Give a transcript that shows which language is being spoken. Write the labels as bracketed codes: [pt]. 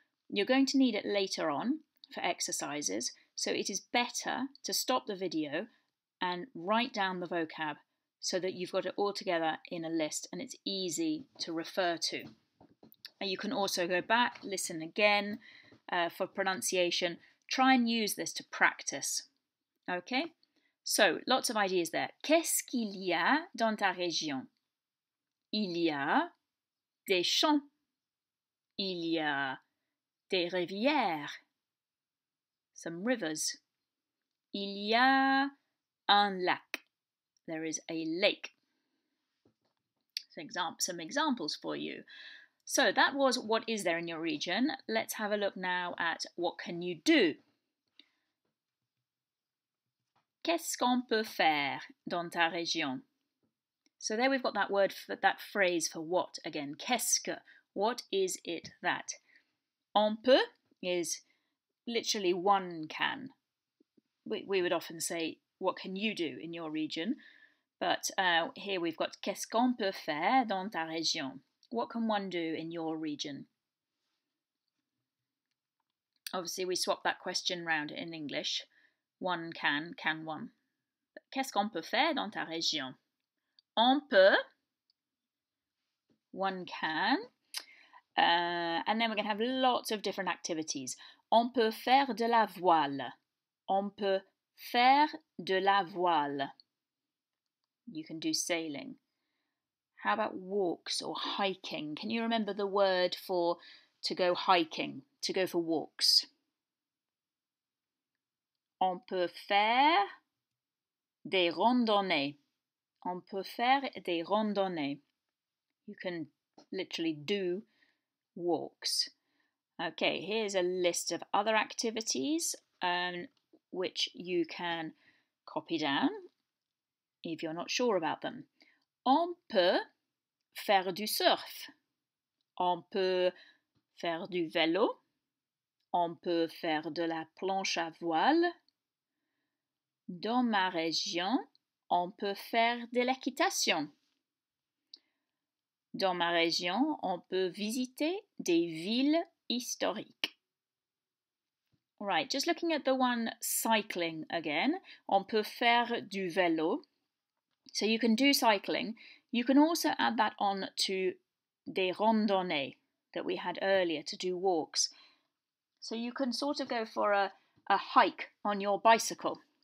[en] You're going to need it later on for exercises, so it is better to stop the video and write down the vocab so that you've got it all together in a list and it's easy to refer to. You can also go back, listen again for pronunciation. Try and use this to practice. Okay? So, lots of ideas there. [fr] Qu'est-ce qu'il y a dans ta région? Il y a des champs. Il y a des rivières. [en] Some rivers. [fr] Il y a un lac. [en] There is a lake. Some examples for you. So that was what is there in your region. Let's have a look now at what can you do. [fr] Qu'est-ce qu'on peut faire dans ta région? [en] So there we've got that word, for that phrase for what again. [fr] Qu'est-ce que? [en] What is it that? [fr] On peut [en] is literally one can. We would often say, what can you do in your region? But here we've got [fr] qu'est-ce qu'on peut faire dans ta région? [en] What can one do in your region? Obviously, we swap that question round in English. One can one. [fr] Qu'est-ce qu'on peut faire dans ta région? On peut. [en] One can. And then we're going to have lots of different activities. [fr] On peut faire de la voile. On peut faire de la voile. [en] You can do sailing. How about walks or hiking? Can you remember the word for to go hiking, to go for walks? [fr] On peut faire des randonnées. On peut faire des randonnées. [en] You can literally do walks. Okay, here's a list of other activities which you can copy down if you're not sure about them. [fr] On peut faire du surf. On peut faire du vélo. On peut faire de la planche à voile. Dans ma région, on peut faire de l'équitation. Dans ma région, on peut visiter des villes historiques. [en] Right, just looking at the one cycling again. [fr] On peut faire du vélo. [en] So you can do cycling. You can also add that on to [fr] des randonnées [en] that we had earlier to do walks. So you can sort of go for a hike on your bicycle.